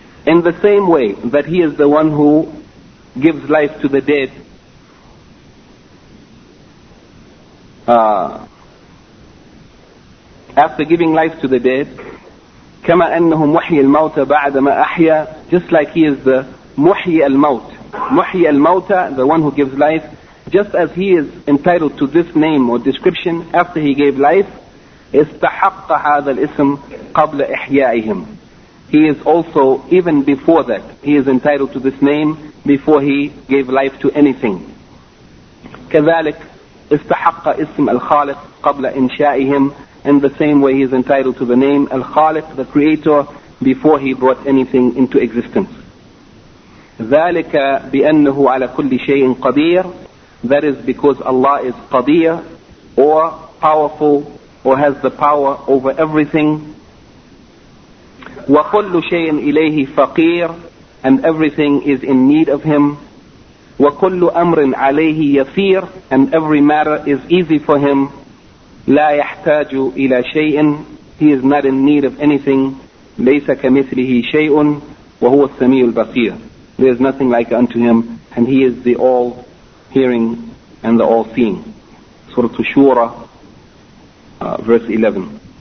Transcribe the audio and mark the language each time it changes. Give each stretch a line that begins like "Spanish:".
English: In the same way that he is the one who gives life to the dead, after giving life to the dead,
Arabic: كما أنه محي الموتى بعدما أحيا,
English: just like he is the
Arabic: محي الموت, محي الموتى,
English: the one who gives life, just as he is entitled to this name or description after he gave life,
Arabic: استحق هذا الاسم قبل إحيائهم.
English: He is also, even before that, he is entitled to this name before he gave life to anything.
Arabic: كذلك استحق اسم الخالق قبل إنشائهم.
English: In the same way, he is entitled to the name Al-Khaliq, the Creator, before he brought anything into existence.
Arabic: ذَلِكَ بِأَنَّهُ عَلَى كُلِّ شَيْءٍ قَدِيرٍ.
English: That is because Allah is Qadir, or powerful, or has the power over everything.
Arabic: وَكُلُّ شَيْءٍ إِلَيْهِ فَقِيرٍ.
English: And everything is in need of him.
Arabic: وَكُلُّ أَمْرٍ عَلَيْهِ يَسِيرٍ.
English: And every matter is easy for him.
Arabic: لا يحتاج إلى شيء.
English: He is not in need of anything.
Arabic: ليس كمثله شيء وهو السميع البصير.
English: There is nothing like unto him, and he is the all hearing and the all seeing. Surah Shura, verse 11.